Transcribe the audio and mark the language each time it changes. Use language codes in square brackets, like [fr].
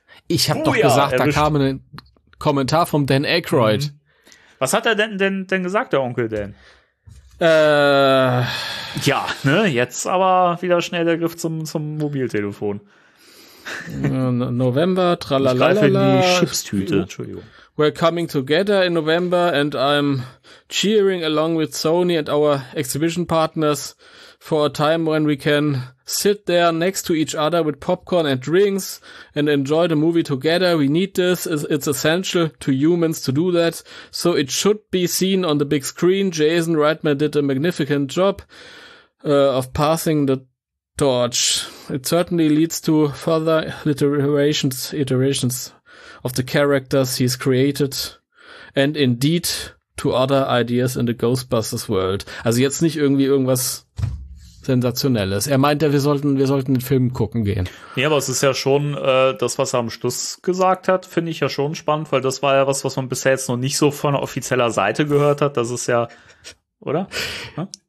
[de] Ich habe doch gesagt, erwischt. Da kam ein Kommentar vom Dan Aykroyd. Was hat er denn gesagt, der Onkel Dan? Ja, ne, jetzt aber wieder schnell der Griff zum Mobiltelefon. November, tralala. Ich greife in die Chipstüte. Entschuldigung. [en] We're coming together in November and I'm cheering along with Sony and our exhibition partners for a time when we can sit there next to each other with popcorn and drinks and enjoy the movie together. We need this. It's essential to humans to do that. So it should be seen on the big screen. Jason Reitman did a magnificent job of passing the torch. It certainly leads to further iterations of the characters he's created and indeed to other ideas in the Ghostbusters world. [de] Also jetzt nicht irgendwie irgendwas Sensationelles. Er meinte, wir sollten den Film gucken gehen. Ja, aber es ist ja schon das, was er am Schluss gesagt hat, finde ich ja schon spannend, weil das war ja was man bisher jetzt noch nicht so von offizieller Seite gehört hat. Das ist ja, oder? Ja?